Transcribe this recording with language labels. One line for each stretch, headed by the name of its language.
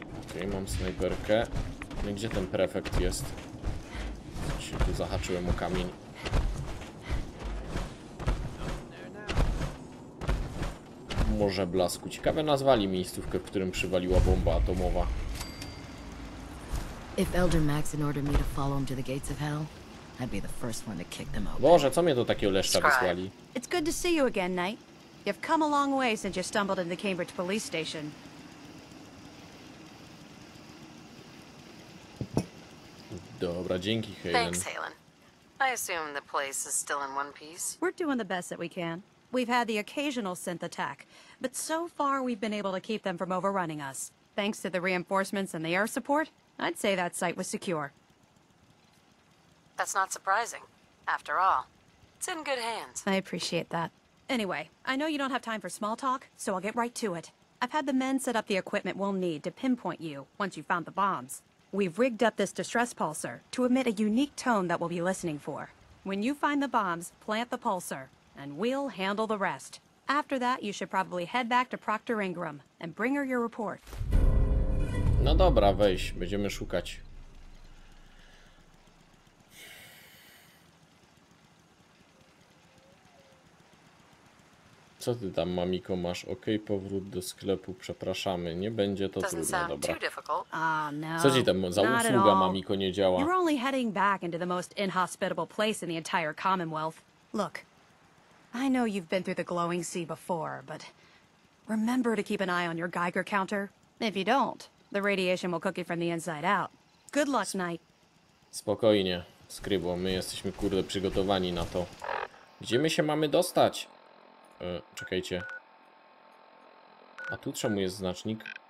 Polish: Okej, mam snajperkę. No i gdzie ten prefekt jest? Się tu zahaczyłem o kamień. Morze Blasku. Ciekawe nazwali miejscówkę, w którym przywaliła bomba atomowa.
English: If Elder Maxon ordered me to follow him to the gates of hell, I'd be the first one to kick them out.
Polish: Boże, co mnie do takiego leszcza wysłali?
English: It's good to see you again, Knight. You've come a long way since you stumbled in the Cambridge police station.
Polish: Dobra, dzięki, Halen.
English: Thanks, Halen. I assume the place is still in one piece. We're doing the best that we can. We've had the occasional synth attack, but so far we've been able to keep them from overrunning us. Thanks to the reinforcements and the air support, I'd say that site was secure. That's not surprising. After all, it's in good hands. I appreciate that. Anyway, I know you don't have time for small talk, so I'll get right to it. I've had the men set up the equipment we'll need to pinpoint you once you've found the bombs. We've rigged up this distress pulsar to emit a unique tone that we'll be listening for. When you find the bombs, plant the pulsar, and we'll handle the rest. After that, you should probably head back to Proctor Ingram and bring her your report.
Polish: No dobra, weź, będziemy szukać. Co ty tam, mamiko, masz? Ok, powrót do sklepu, przepraszamy. Nie będzie to trudne, dobra. Co ci tam za usługa, mamiko, nie działa?
English: You're only heading back into the most inhospitable place in the entire Commonwealth. Look, I know you've been through the glowing sea before, but remember to keep an eye on your Geiger counter. If you don't, the radiation will cook you from the inside out. Good luck, Knight.
Polish: Spokojnie, Skrybo, my jesteśmy kurde przygotowani na to. Gdzie my się mamy dostać? Czekajcie. A tu czemu jest znacznik?